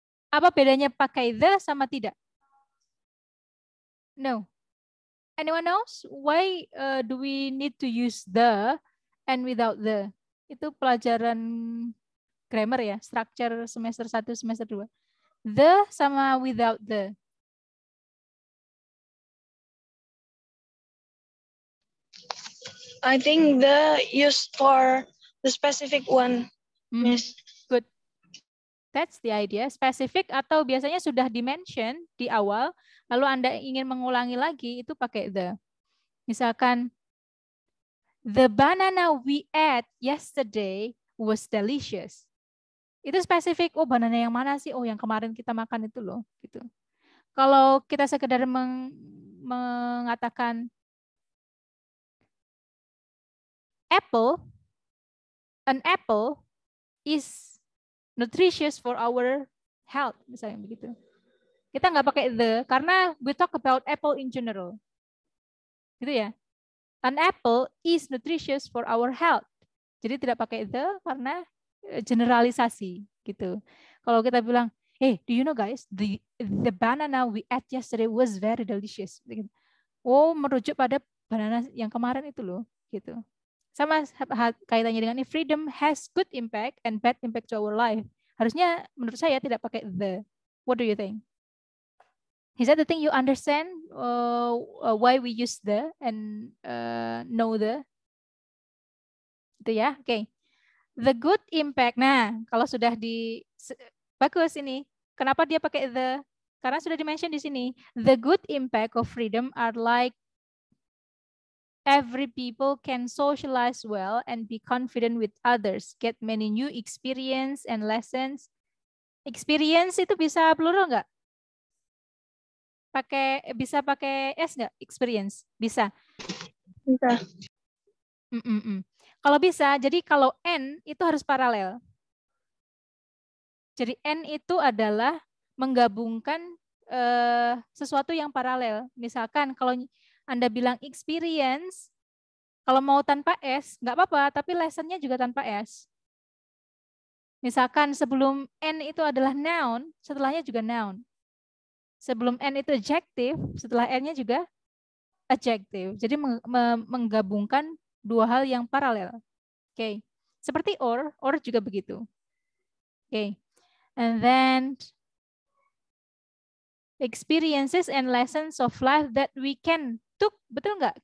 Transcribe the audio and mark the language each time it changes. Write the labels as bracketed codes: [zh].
[id] Apa bedanya pakai the sama tidak? [en] No. Anyone else? Why do we need to use the and without the? [id] Itu pelajaran grammar ya, structure semester 1, semester 2. [en] The sama without the. I think the used for the specific one, Miss. Good. That's the idea. [id] Specific atau biasanya sudah dimention di awal, lalu Anda ingin mengulangi lagi, itu pakai the. [en] Misalkan, the banana we ate yesterday was delicious. [id] Itu spesifik, oh banana yang mana sih? Oh yang kemarin kita makan itu loh. Gitu. Kalau kita sekedar mengatakan [en] apple, an apple is nutritious for our health, [id] misalnya begitu. Kita nggak pakai [en] the, [id] karena [en] we talk about apple in general. [id] Gitu ya. [en] An apple is nutritious for our health. [id] Jadi tidak pakai the karena generalisasi gitu. Kalau kita bilang, [en] hey, do you know guys, the banana we ate yesterday was very delicious. [id] Oh, merujuk pada banana yang kemarin itu loh, gitu. Sama kaitannya dengan ini, [en] freedom has good impact and bad impact to our life. [id] Harusnya menurut saya tidak pakai the. [en] What do you think? Is that the thing you understand why we use the and know the? [id] Itu ya, oke. [en] Okay. The good impact. [id] Nah, kalau sudah di bagus ini. Kenapa dia pakai the? Karena sudah dimention di sini. [en] The good impact of freedom are like every people can socialize well and be confident with others, get many new experience and lessons. [id] Experience itu bisa plural enggak? Bisa pakai S enggak? Experience. Bisa. Bisa. Kalau bisa, jadi kalau N itu harus paralel. Jadi N itu adalah menggabungkan sesuatu yang paralel. Misalkan kalau Anda bilang experience, kalau mau tanpa S, nggak apa-apa, tapi lessonnya juga tanpa S. Misalkan sebelum N itu adalah noun, setelahnya juga noun. Sebelum N itu adjective, setelah N-nya juga adjective. Jadi menggabungkan dua hal yang paralel. Okay. Seperti or juga begitu. Okay. [en] And then experiences and lessons of life that we can took, [id] betul enggak?